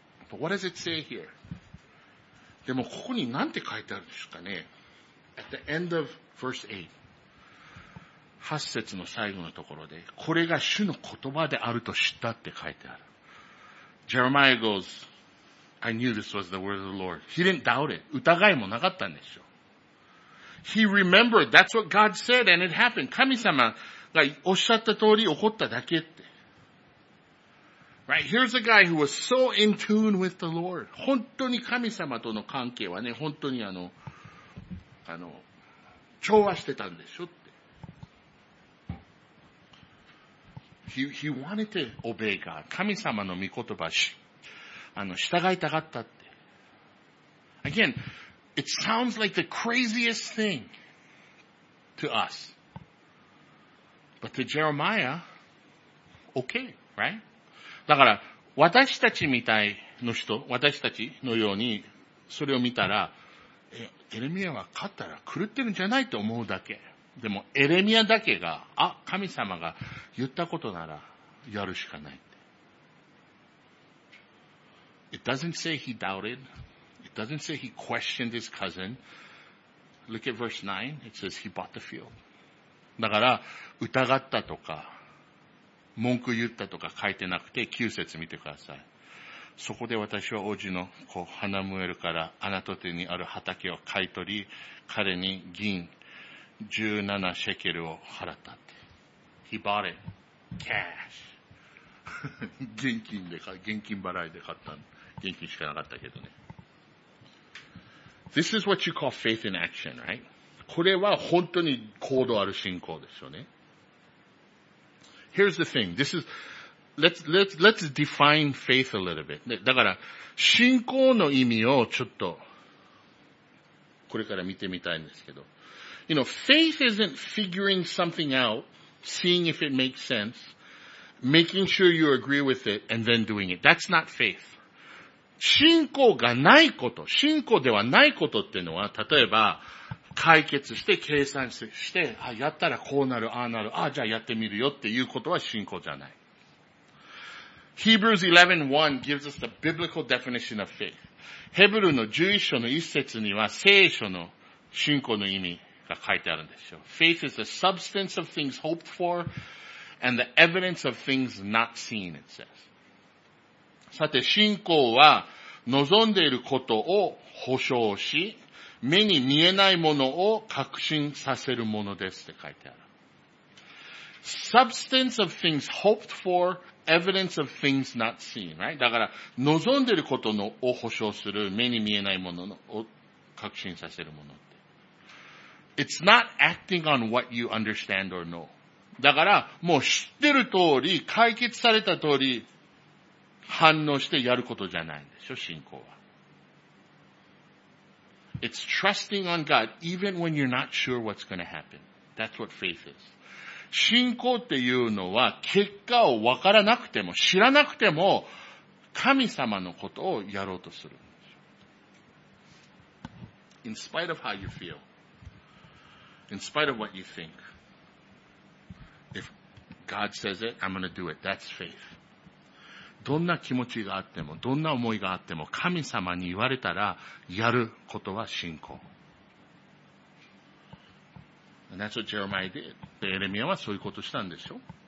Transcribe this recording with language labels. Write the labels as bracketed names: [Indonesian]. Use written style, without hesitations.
[English] But what does it say here? [Japanese] でも、ここに何て書いてあるんですかね? [English] At the end of verse 8. [Japanese] 8節の最後のところで、これが主の言葉であると知ったって書いてある。 [English] Jeremiah goes, I knew this was the word of the Lord. He didn't doubt it. [Japanese] 疑いもなかったんでしょ。 [English] He remembered, that's what God said, and it happened. [Japanese] 神様がおっしゃった通り起こっただけって。 [English] Right, here's a guy who was so in tune with the Lord. [Japanese] 本当に神様との関係はね、本当に調和してたんでしょって。 [English] He wanted to obey God. [Japanese] 神様の御言葉し、従いたかったって。 [English] Again, it sounds like the craziest thing to us. But to Jeremiah, okay, right? [Japanese] だから、私たちみたいの人、私たちのように、それを見たら、エレミアは勝ったら狂ってるんじゃないと思うだけ。でも、エレミアだけが、あ、神様が言ったことなら、やるしかない。 [English] It doesn't say he doubted. It doesn't say he questioned his cousin. Look at verse 9. It says he bought the field. [Japanese] だから、疑ったとか、文句言ったとか書いてなくて、9節見てください。そこで私は王子の子、ハナムエルから、あなた手にある畑を買い取り、彼に銀17シェケルを払ったって。 [English] He bought it. Cash. [Japanese] 現金で買、現金払いで買ったの。元気しかなかったけどね。 [English] This is what you call faith in action, right? [Japanese] これは本当に行動ある信仰ですよね。 [English] Here's the thing. This is, let's define faith a little bit. [Japanese] だから、信仰の意味をちょっと、これから見てみたいんですけど。 [English] You know, faith isn't figuring something out, seeing if it makes sense, making sure you agree with it, and then doing it. That's not faith. [Japanese] 信仰がないこと、信仰ではないことっていうのは、例えば、解決して、計算して、あ、やったらこうなる、ああなる、ああ、じゃあやってみるよっていうことは信仰じゃない。 [English] Hebrews 11:1 gives us the biblical definition of faith. [Japanese] ヘブルの11章の1節には、聖書の信仰の意味が書いてあるんですよ。 [English] Faith is the substance of things hoped for and the evidence of things not seen, it says. [Japanese] さて、信仰は望んでいることを保証し、目に見えないものを確信させるものですって書いてある。 [English] Substance of things hoped for, evidence of things not seen, right? [Japanese] だから、望んでいることのを保証する、目に見えないものを確信させるものって。 [English] It's not acting on what you understand or know. [Japanese] だから、もう知ってる通り、解決された通り、反応してやることじゃないんでしょ、信仰は。 [English] It's trusting on God even when you're not sure what's going to happen. That's what faith is. [Japanese] 信仰っていうのは結果を分からなくても知らなくても神様のことをやろうとするんです。 [English] In spite of how you feel, in spite of what you think, if God says it, I'm going to do it. That's faith. [Japanese] どんな気持ちがあっても、どんな思いがあっても、神様に言われたら、やることは信仰。 [English] And that's what Jeremiah did. [Japanese] エレミアはそういうことしたんでしょ。